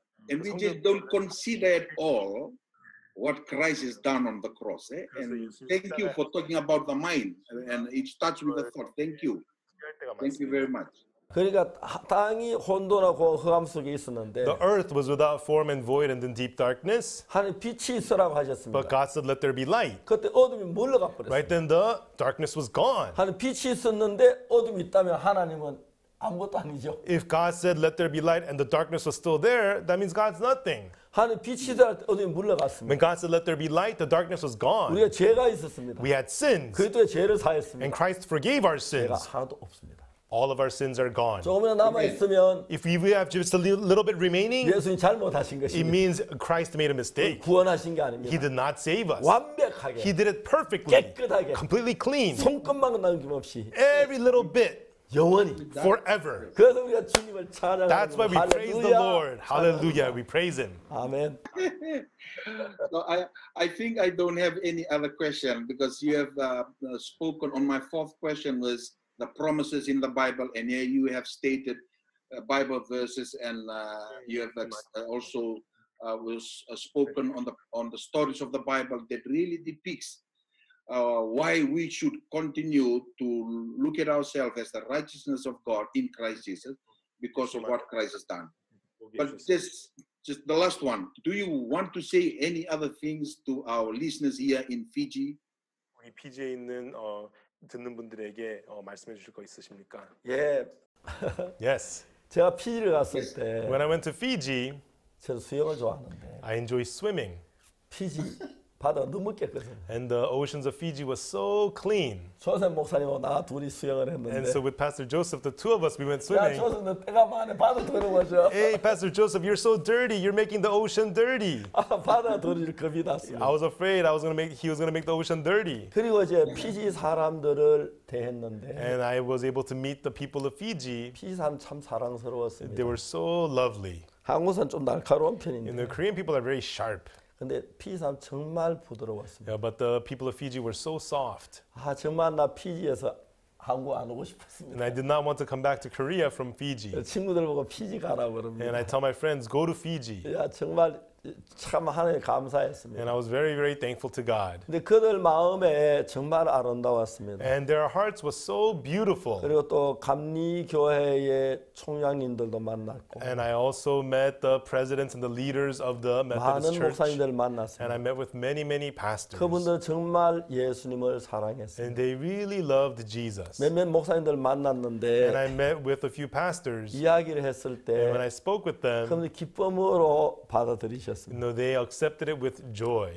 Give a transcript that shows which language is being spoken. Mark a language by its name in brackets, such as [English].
[English] And we just don't consider at all what Christ has done on the cross. Eh? And thank you for talking about the mind, and it starts with the thought. Thank you. Thank you very much. [Korean] 그러니까 땅이 혼돈하고 흑암 속에 있었는데 [English] The earth was without form and void and in deep darkness. [Korean] 하나님 빛이 있으라고 하셨습니다. [English] But God said, let there be light. [Korean] 그때 어둠이 물러가 버렸어요. [English] Right then the darkness was gone. [Korean] 하나님 빛이 있었는데 어둠이 있다면 하나님은 아무것도 아니죠. [English] If God said, let there be light and the darkness was still there, that means God's nothing. [Korean] 하나님 빛이 있을 때 어둠이 물러갔습니다. [English] When God said, let there be light, the darkness was gone. [Korean] 우리가 죄가 있었습니다. [English] We had sins. [Korean] 그리스도의 죄를 사했습니다. [English] And Christ forgave our sins. [Korean] 죄가 하나도 없습니다. [English] All of our sins are gone. [Korean] 조금이나 남아 있으면 [English] If we have just a little bit remaining, [Korean] 예수님 잘못하신 것입니다. [English] It means Christ made a mistake. [Korean] 구원하신 게 아닙니다. [English] He did not save us. [Korean] 완벽하게. [English] He did it perfectly. [Korean] 깨끗하게. [English] Completely clean. [Korean] 손금만 남김 없이. [English] Every little bit. [Korean] 영원히. [English] Forever. [Korean] 그래서 우리가 주님을 찬양합니다. [English] That's why we praise the Lord. Hallelujah. We praise Him. Amen. So I think I don't have any other question because you have spoken on my fourth question was. The promises in the Bible, and here you have stated Bible verses, and you have also was spoken on the stories of the Bible that really depicts why we should continue to look at ourselves as the righteousness of God in Christ Jesus because of what Christ has done. But just the last one, do you want to say any other things to our listeners here in Fiji? [Korean] 우리 피지에 있는 듣는 분들에게 말씀해 주실 거 있으십니까? 예. [English] Yes. [Korean] 제가 피지를 갔을 때 [English] When I went to Fiji, [Korean] 제가 수영을 좋아하는데 [English] I enjoy swimming. [Korean] 피지 바다 너무 깨끗해. [English] And the oceans of Fiji was so clean. [Korean] 조선 목사님하고 나 둘이 수영을 했는데 [English] And so with Pastor Joseph, the two of us, we went swimming. [Korean] 야, 조선 너 때가 많아. 바다 더러워져. [English] Hey, Pastor Joseph, you're so dirty. You're making the ocean dirty. [Korean] 아, 바다 더러워질 겁이 났습니다. [English] I was afraid he was going to make the ocean dirty. [Korean] 그리고 이제 피지 사람들을 대했는데 [English] And I was able to meet the people of Fiji. [Korean] 피지 사람 참 사랑스러웠습니다. [English] They were so lovely. [Korean] 한국은 좀 날카로운 편인데 [English] And the Korean people are very sharp. [Korean] 근데 피지 사람 정말 부드러웠습니다. [English] Yeah, but the people of Fiji were so soft. [Korean] 아, 정말 나 피지에서 한국 안 오고 싶었습니다. [English] And I did not want to come back to Korea from Fiji. [Korean] 친구들 보고 피지 가라 그럽니다. [English] And I tell my friends, go to Fiji. [Korean] 야, 정말 참 하나님 감사했습니다. [English] And I was very, very thankful to God. [Korean] 근데 그들 마음에 정말 아름다웠습니다. [English] And their hearts were so beautiful. [Korean] 그리고 또 감리 교회의 총장님들도 만났고. [English] And I also met the presidents and the leaders of the Methodist Church. [Korean] 많은 목사님들을 만났습니다. [English] And I met with many, many pastors. [Korean] 그분들 정말 예수님을 사랑했습니다. [English] And they really loved Jesus. [Korean] 몇몇 목사님들 만났는데. [English] And I met with a few pastors. [Korean] 이야기를 했을 때. [English] And when I spoke with them. [Korean] 그분들 기쁨으로 받아들이. [English] No, they accepted it with joy.